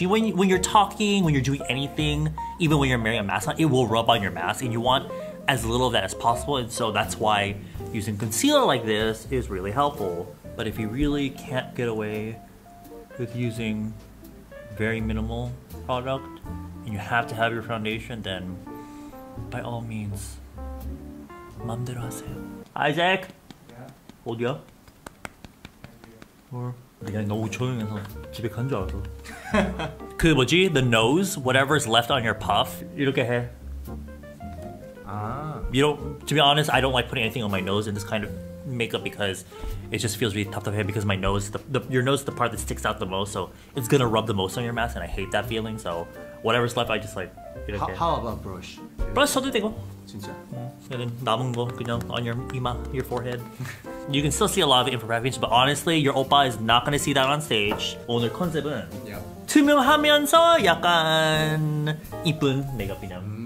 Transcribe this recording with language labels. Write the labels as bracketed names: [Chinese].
[English] You, when you're talking, when you're doing anything, even when you're wearing a mask on, it will rub on your mask, and you want as little of that as possible. And so that's why using concealer like this is really helpful. But if you really can't get away with using very minimal product and you have to have your foundation, then by all means, [Korean] 맘대로 하세요. [English] Isaac! Yeah? [Korean] 어디야? 뭘? 내가 너무 조용해서 집에 간 줄 알았어. 그 뭐지? [English] The nose? Whatever's left on your puff? [Korean] 이렇게 해. 아. [English] You know, to be honest, I don't like putting anything on my nose in this kind of makeup because it just feels really tough to hit because my nose, your nose is the part that sticks out the most, so it's gonna rub the most on your mask, and I hate that feeling, so whatever's left, I just like, you know. How about brush? [Korean] Brush, 써도 되고. 진짜. [English] And then [Korean] 남은 거, 그냥 [English] on your [Korean] 이마, [English] your forehead. You can still see a lot of imperfections, but honestly, your oppa is not gonna see that on stage. [Korean] 오늘 컨셉은 [English] yeah. [Korean] 투명하면서 약간 이쁜 메이크업이냐.